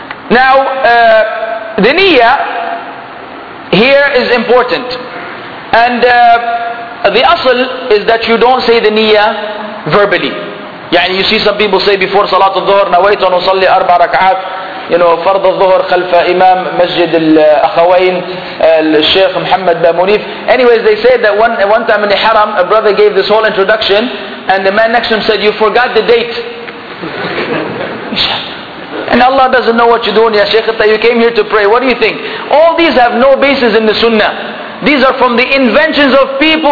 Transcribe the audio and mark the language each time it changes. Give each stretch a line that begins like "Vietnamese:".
English: Now, the niyyah here is important. And the asl is that you don't say the niyyah verbally. يعني you see some people say before Salat al-Dhuhr,
Arabic: نويت أن أصلي أربع ركعات.
English: You know,
Arabic: فرض الظهر خلف إمام مسجد الأخوين الشيخ محمد بامونيف.
English: Anyways, they said that one time in the Haram, a brother gave this whole introduction, and the man next to him said, "You forgot the date." And Allah doesn't know what you're doing, ya Shaykh, that you came here to pray. What do you think? All these have no basis in the Sunnah. These are from the inventions of people.